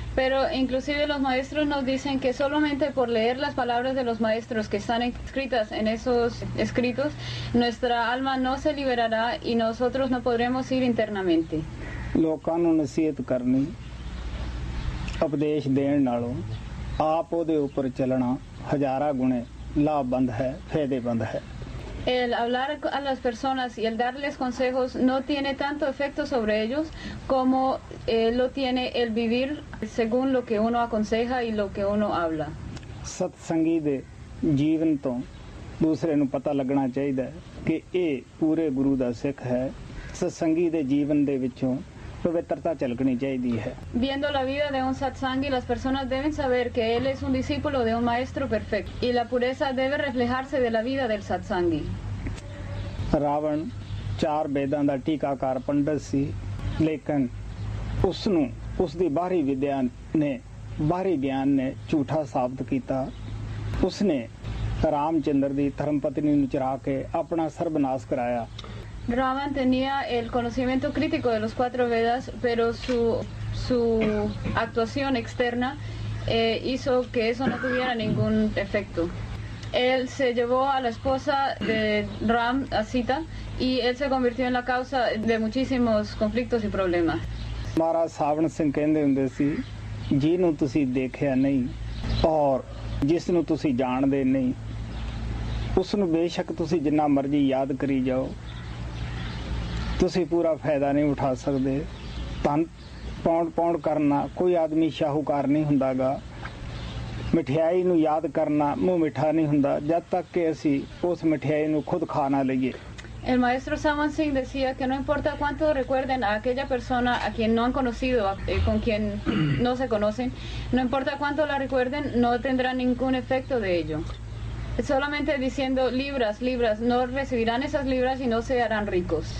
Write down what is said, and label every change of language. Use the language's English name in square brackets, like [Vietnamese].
[Spanish] Pero inclusive los maestros nos dicen que solamente por leer las palabras de los maestros que están escritas en esos escritos, nuestra alma no se liberará y nosotros no podremos ir internamente. [Punjabi] ਲਾਭਬੰਦ ਹੈ ਫਾਇਦੇਮੰਦ ਹੈ। [Spanish] El hablar a las personas y el darles consejos no tiene tanto efecto sobre ellos como lo tiene el vivir según lo que uno aconseja y lo que uno habla. [Punjabi] ਸਤਸੰਗੀ ਦੇ ਜੀਵਨ ਤੋਂ ਦੂਸਰੇ ਨੂੰ ਪਤਾ ਲੱਗਣਾ ਚਾਹੀਦਾ ਹੈ ਕਿ ਇਹ ਪੂਰੇ ਗੁਰੂ ਦਾ ਸਿੱਖ ਹੈ। ਸਤਸੰਗੀ ਦੇ ਜੀਵਨ ਦੇ ਵਿੱਚੋਂ ਪਵਿੱਤਰਤਾ ਝਲਕਣੀ ਚਾਹੀਦੀ ਹੈ। [Spanish] Viendo la vida de un satsangi, las personas deben saber que él es un discípulo de un maestro perfecto y la pureza debe reflejarse de la vida del satsangi. [Punjabi] Ravan ਚਾਰ ਵੇਦਾਂ ਦਾ ਟੀਕਾਕਾਰ ਪੰਡਿਤ ਸੀ ਲੇਕਿਨ ਉਸ ਨੂੰ ਉਸ ਦੀ ਬਾਹਰੀ ਵਿਦਿਆ ਨੇ ਬਾਹਰੀ ਗਿਆਨ ਨੇ ਝੂਠਾ ਸਾਬਤ ਕੀਤਾ। ਉਸ ਨੇ ਰਾਮਚੰਦਰ ਦੀ ਧਰਮਪਤਨੀ ਨੂੰ ਚਰਾ ਕੇ ਆਪਣਾ ਸਰਬਨਾਸ਼ ਕਰਾਇਆ। [Spanish] Ravan tenía el conocimiento crítico de los cuatro Vedas, pero su actuación externa hizo que eso no tuviera ningún efecto. Él se llevó a la esposa de Ram, a Sita, y él se convirtió en la causa de muchísimos conflictos y problemas. [Punjabi] Maharaj Savan Singh kehnde hunde si, jinu tusi dekhya nahi, aur jisnu tusi jaande nahi, usnu beshak tusi jinna marzi yaad kari jao, ਤੁਸੀਂ ਪੂਰਾ ਫਾਇਦਾ ਨਹੀਂ ਉਠਾ ਸਕਦੇ। ਧਨ pound pound ਕਰਨਾ ਕੋਈ ਆਦਮੀ ਸ਼ਾਹੂਕਾਰ ਨਹੀਂ ਹੁੰਦਾ ਗਾ। ਮਠਿਆਈ ਨੂੰ ਯਾਦ ਕਰਨਾ ਮੂੰਹ ਮਿੱਠਾ ਨਹੀਂ ਹੁੰਦਾ ਜਦ ਤੱਕ ਕਿ ਅਸੀਂ ਉਸ ਮਠਿਆਈ ਨੂੰ ਖੁਦ ਖਾ ਨਾ ਲਈਏ। [Spanish] El maestro Saman Singh decía que no importa cuánto recuerden a aquella persona a quien no han conocido, con quien no se conocen, no importa cuánto la recuerden, no tendrá ningún efecto de ello. Solamente diciendo libras, libras, no recibirán esas libras y no se harán ricos.